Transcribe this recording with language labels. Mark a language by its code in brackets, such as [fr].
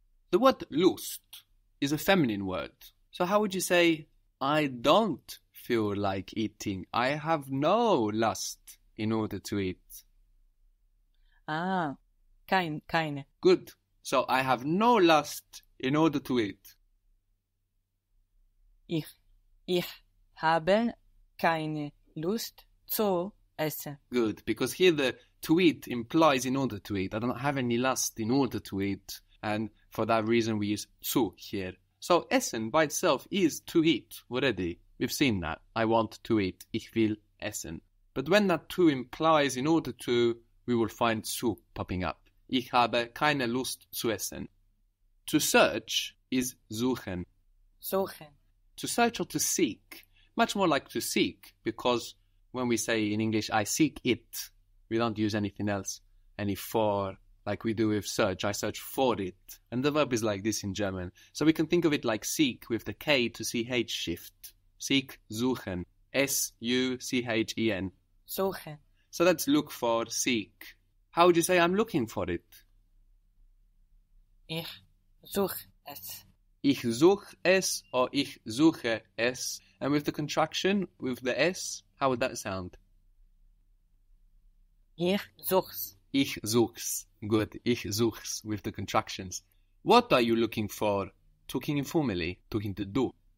[en] The word Lust is a feminine word. So how would you say, I don't feel like eating. I have no lust in order to eat. [de] Ah, keine. [en] Good. So I have no lust in order to eat. [de] Ich habe keine Lust zu essen. [en] Good, because here the to eat implies in order to eat. I don't have any lust in order to eat. And for that reason we use zu here. So essen by itself is to eat already. We've seen that. I want to eat. [de] Ich will essen. [en] But when that to implies in order to, we will find zu popping up. [de] Ich habe keine Lust zu essen. [en] To search is suchen. [de] Suchen. [en] To search or to seek. Much more like to seek, because when we say in English, I seek it, we don't use anything else, any for, like we do with search. I search for it. And the verb is like this in German. So we can think of it like seek with the K to CH shift. Seek, suchen. S-U-C-H-E-N. [de] Suchen. [en] So that's look for, seek. How would you say I'm looking for it? [de] Ich suche es. Ich suche es or ich suche es. [en] And with the contraction, with the S, how would that sound? [de] Ich such's. Ich such's. Good. Ich such's with the contractions. [en] What are you looking for? Talking informally. Talking to do.